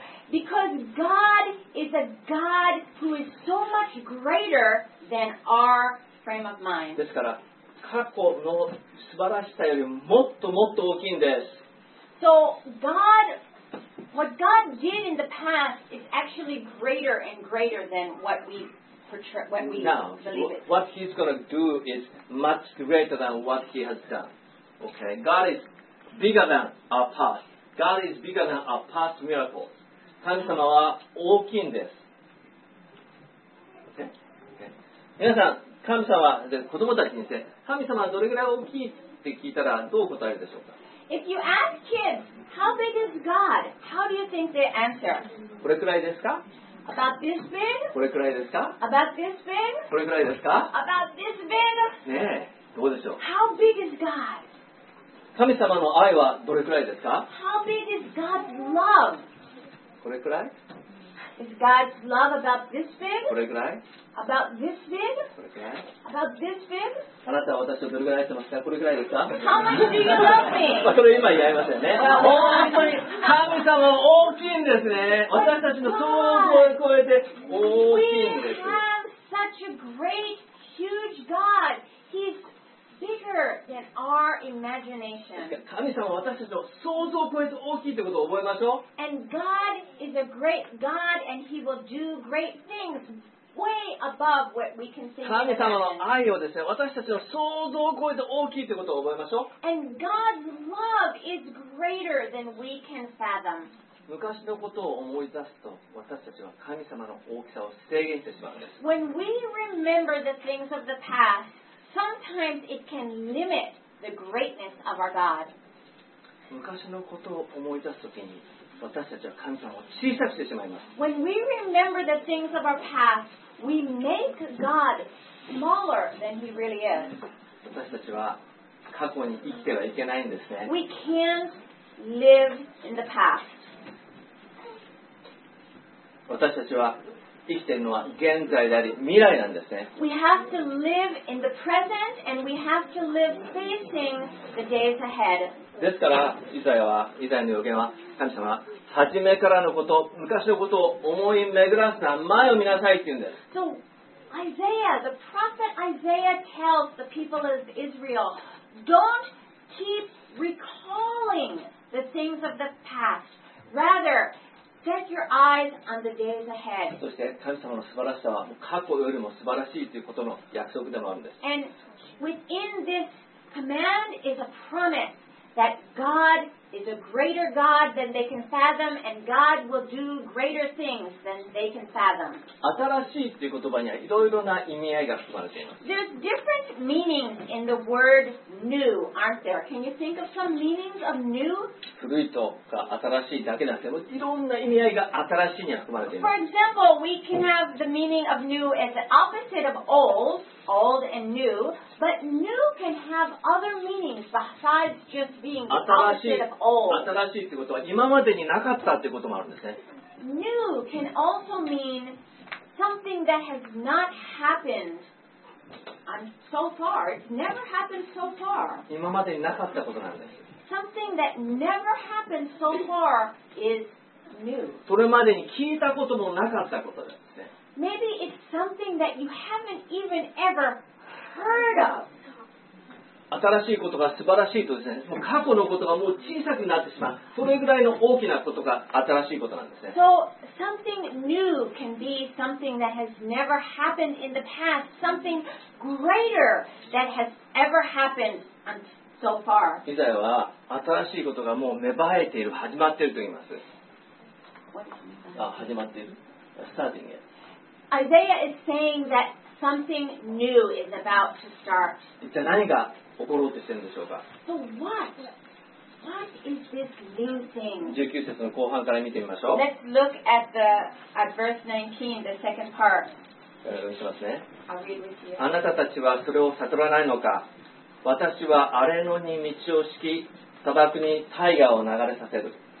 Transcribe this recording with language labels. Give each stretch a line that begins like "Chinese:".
English: because God is a God who is so much greater than our frame of mind.
Japanese: ですから、過去の素晴らしさよりもっともっと大きいんです。
English: So God. What God did in the past is actually greater and greater than what we portray, what we Now, believe it. What He's going to do is much greater than what He has done. Okay, God is bigger than our past. God is bigger than our past miracles.
Japanese: 神様は大きいんです。
English: Okay?
Japanese: Okay. 皆さん、神様は、で、子供たちにして、神様はどれぐらい大きいって聞いたらどう答えるでしょうか。
English: If you ask kids, how big is God? How do you think they answer?
Japanese: これくらいですか？
English: About this big?
Japanese: これくらいですか？
English: About this big?
Japanese: これくらいですか？
English: About this big?
Japanese: ねえ、どうでしょう？
English: How big is God?
Japanese: 神様の愛はどれくらいですか？
English: How big is God's love?
Japanese: これくらい？
English: Is God's love about this big?
Japanese: これくらい？
English: About this big?
Japanese: これくらい？
English: About this big?
Japanese: あなたは私をどれくらい愛してますか？これくらいですか？
English: How much do you love me?
Japanese: まあそれ今言い合いませんね。本当に神様は大きいんですね。私たちの想像を超えて大きいんです。
English: We have such a great, huge God. He's bigger than our imagination.
Japanese: 神様は私たちの想像を超えて大きいということを覚えましょう。
English: And God is a great God and He will do great things. Way above what we can think.
Japanese: 神様の愛をですね、私たちの想像を超えて大きいということを覚えましょう。
English: And God's love is greater than we can fathom.
Japanese: 昔のことを思い出すと、私たちは神様の大きさを制限してしまうんです。
English: When we remember the things of the past, sometimes it can limit the greatness of our God.
Japanese: 昔のことを思い出すときに。私たちは神様を小さくしてしまいます。
English: When we remember the things of our past, we make God smaller than He really is.
Japanese: 私たちは過去に生きてはいけないんですね。
English: We can't live in the past.
Japanese: 私たちは生きているのは現在であり未来なんですね。
English: We have to live in the present and we have to live facing the days ahead.
Japanese: ですからイザヤの予言は神様は初めからのこと昔のことを思い巡らせた前を見なさいって言うんです。
English: So Isaiah, the prophet Isaiah tells the people of Israel, don't keep recalling the things of the past. Rather, set your eyes on the days ahead.
Japanese: そして神様の素晴らしさは過去よりも素晴らしいということの約束でもあるんです。
English: And within this command is a promise. That God is a greater God than they can fathom, and God will do greater things than they can fathom.
Japanese: 新しいっていう言葉にはいろいろな意味合いが含まれています。
English: There's different meanings in the word new, aren't there? Can you think of some meanings of new?
Japanese: 古いとか新しいだけなんですけど、いろんな意味合いが新しいには含まれています。
English: For example, we can have the meaning of new as the opposite of old. Old and new, but new can have other meanings besides just being the opposite of old.
Japanese: 新しいってことは今までになかったってこともあるんですね。
English: New can also mean something that has not happened so far. It's never happened so far.
Japanese: 今までになかったことなんです。
English: Something that never happened so far is new.
Japanese: それまでに聞いたこともなかったことです。
English: Maybe it's something that you haven't even ever heard of.
Japanese: 新しいことが素晴らしいとですね、もう過去のことがもう小さくなってしまう。それぐらいの大きなことが新しいことなんですね。
English: So something new can be something that has never happened in the past, something greater that has ever happened so far.
Japanese: イザヤは新しいことがもう芽生えている、始まっていると言います。始まっている。
English: Starting it. Isaiah is saying that something new is about to start.
Japanese: 一体何が起ころうとしてるんでしょうか。
English: So what? What is this new thing?
Japanese: 19節の後半から見てみましょう。
English: Let's look at verse 19, the second part.
Japanese: しますね。
English: I'll read with you.
Japanese: あなたたちはそれを悟らないのか。私は荒れ野に道を敷き、砂漠に大河を流れさせる。